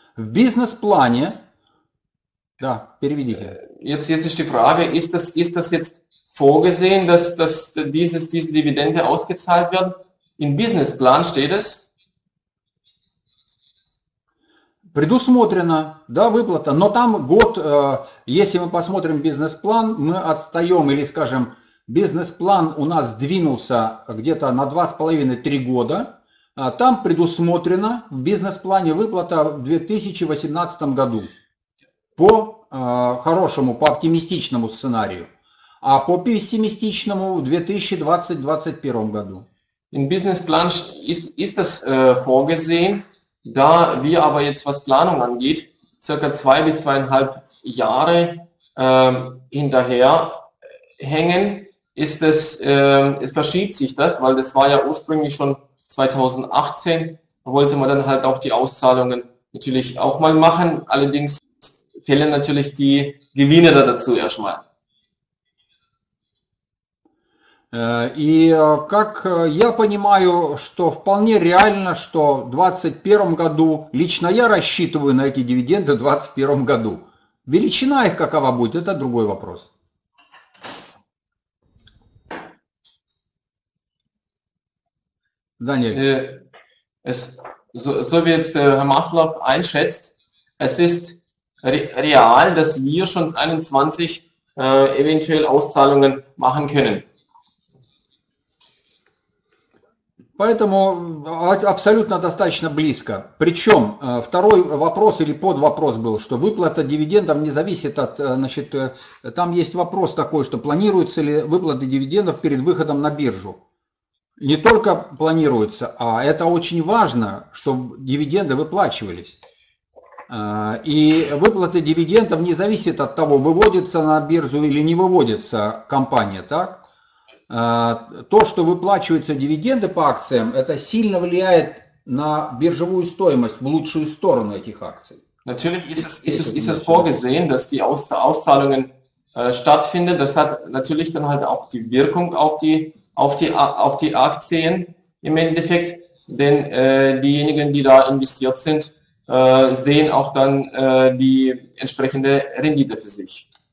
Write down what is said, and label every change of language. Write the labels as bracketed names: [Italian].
[Russian] В бизнес-плане, да, переведите. [German] Jetzt ist die Frage, ist das jetzt vorgesehen, dass diese Dividende ausgezahlt werden? Im Businessplan steht es. [Russian] Предусмотрена, да, выплата, но там год, если мы посмотрим бизнес-план, мы отстаем или, скажем, бизнес-план у нас сдвинулся где-то на 2,5-3 года. Там предусмотрена в бизнес-плане выплата в 2018 году по хорошему, по оптимистичному сценарию, а по пессимистичному в 2020-2021 году. [German] Im Businessplan ist das vorgesehen, da wir aber jetzt, was Planung angeht, circa 2 bis 2,5 Jahre hinterher hängen, es verschiebt sich das, weil das war ja ursprünglich schon 2018, da wollte man dann halt auch die Auszahlungen natürlich auch mal machen. Allerdings fehlen natürlich die Gewinne da dazu erstmal. [Russian] И как я понимаю, что вполне реально, что в 2021 году, лично я рассчитываю на эти дивиденды в 2021 году. Величина их какова будет, это другой вопрос. Даниэль. [German] So wie jetzt der Herr Maslow einschätzt, es ist real, dass wir schon 21 eventuell Auszahlungen machen können. [Russian] Поэтому абсолютно достаточно близко. Причем второй вопрос или подвопрос был, что выплата дивидендов не зависит от, значит, там есть вопрос такой, что планируется ли выплата дивидендов перед выходом на биржу. Не только планируется, а это очень важно, чтобы дивиденды выплачивались. И выплата дивидендов не зависит от того, выводится на биржу или не выводится компания, так? То, что выплачиваются дивиденды по акциям, это сильно влияет на биржевую стоимость в лучшую сторону этих акций. [German] Natürlich ist es [Russian] Это ничего. [German] vorgesehen, dass die Auszahlungen stattfinden. Das hat natürlich dann halt auch die Wirkung auf die Aktien im Endeffekt. Denn diejenigen, die da investiert sind, sehen auch dann die entsprechende Rendite für sich.